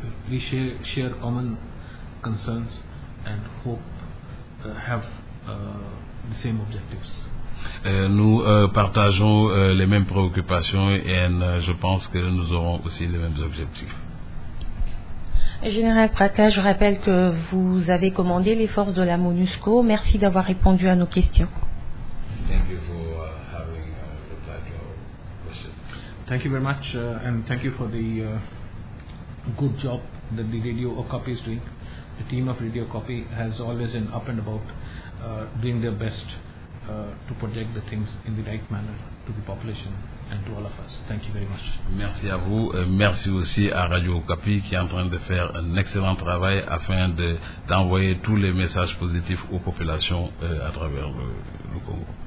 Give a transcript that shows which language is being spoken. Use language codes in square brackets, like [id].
[en] We share common concerns and hope have the same objectives. [fr] Nous partageons les mêmes préoccupations et je pense que nous aurons aussi les mêmes objectifs. Général Prata, je rappelle que vous avez commandé les forces de la MONUSCO. Merci d'avoir répondu à nos questions. [en] Thank you for having replied to our question. Thank you very much, and thank you for the good job that the Radio Okapi is doing. The team of Radio Okapi has always been up and about doing their best to project the things in the right manner to the population and to all of us. Thank you very much. [fr] Merci à vous. Merci aussi à Radio Okapi qui est en train de faire un excellent travail afin d'envoyer tous les messages positifs aux populations à travers le Congo.